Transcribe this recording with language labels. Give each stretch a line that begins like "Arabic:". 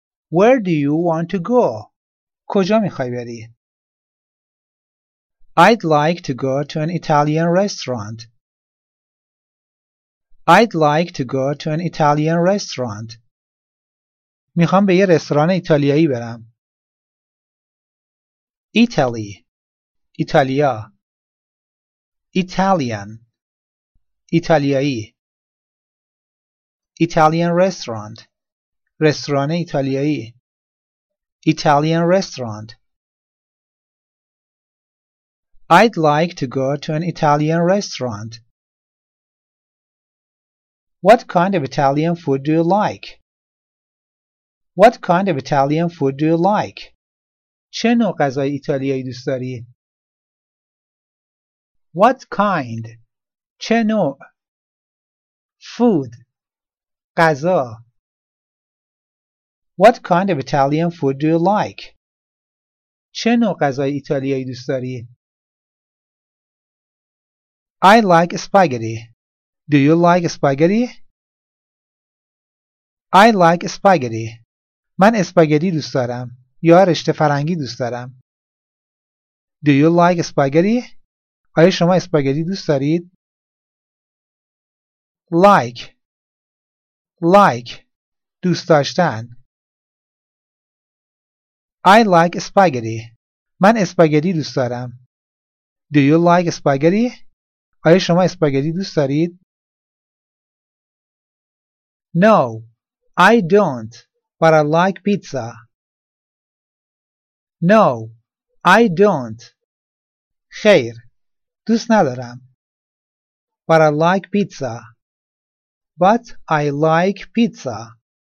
English: Where do you want to go?
Persian: کجا میخوای بری؟
English: I'd like to go to an Italian restaurant. I'd like to go to an Italian restaurant.
Persian: میخوام به یه رستوران ایتالیایی برم. ایتالی، ایتالیا. ایتالیان، ایتالیایی.
English: Italian restaurant,
Persian: رستوران ایتالیایی.
English: Italian restaurant. I'd like to go to an Italian restaurant. What kind of Italian food do you like? What kind of Italian food do you like?
Persian: چه نوع غذای ایتالیایی دوست داری؟
English: What kind?
Persian: چه نوع؟
English: Food.
Persian: غذا.
English: What kind of Italian food do you like?
Persian: چه نوع غذای ایتالیایی دوست داری؟
English: I like spaghetti. Do you like spaghetti? I like spaghetti.
Persian: من اسپاگتی دوست دارم یا رشته فرنگی دوست دارم.
English: Do you like spaghetti?
Persian: آیا شما اسپاگتی دوست دارید؟
English: Like. Like.
Persian: دوست داشتن.
English: I like spaghetti.
Persian: من اسپاگتی دوست دارم.
English: Do you like spaghetti?
Persian: آیا شما اسپاگتی دوست دارید؟
English: No, I don't, but I like pizza. No, I don't.
Persian: خیر، دوست ندارم.
English: But I like pizza. But I like pizza.